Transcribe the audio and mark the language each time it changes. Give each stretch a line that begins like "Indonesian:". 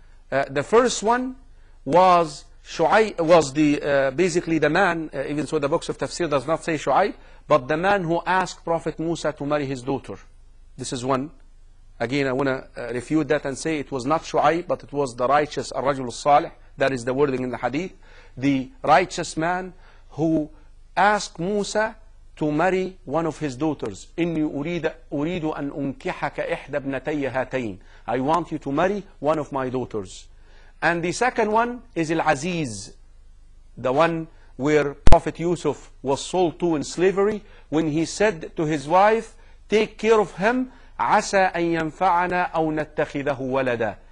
English: The first one was Shu'ayb, was basically the man, even so the books of Tafsir does not say Shu'ayb, but the man who asked Prophet Musa to marry his daughter. This is one. Again, I want to refute that and say it was not Shu'ayb, but it was the righteous, Ar-Rajul As-Salih. That is the wording in the hadith. The righteous man who asked Musa to marry one of his daughters.
Arabic: إِنِّي أُرِيدُ أَنْ أُنْكِحَكَ إِحْدَى بْنَتَيَّ هَاتَيْنِ.
English: I want you to marry one of my daughters. And the second one is Al-Aziz, the one where Prophet Yusuf was sold to in slavery, when he said to his wife, take care of him,
Arabic: عَسَىٰ أَنْ يَنْفَعَنَا أَوْ نَتَّخِذَهُ وَلَدًا.